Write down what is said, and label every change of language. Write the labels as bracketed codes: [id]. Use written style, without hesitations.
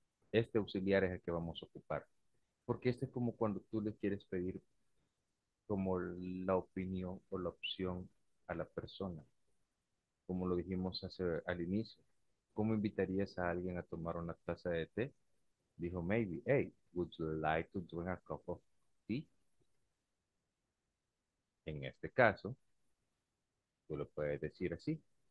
[es] Este auxiliar es el que vamos a ocupar. Porque este es como cuando tú le quieres pedir como la opinión o la opción a la persona. Como lo dijimos al inicio. ¿Cómo invitarías a alguien a tomar una taza de té? Dijo, [en] maybe, hey, would you like to drink a cup of tea? [es] En este caso, tú lo puedes decir así.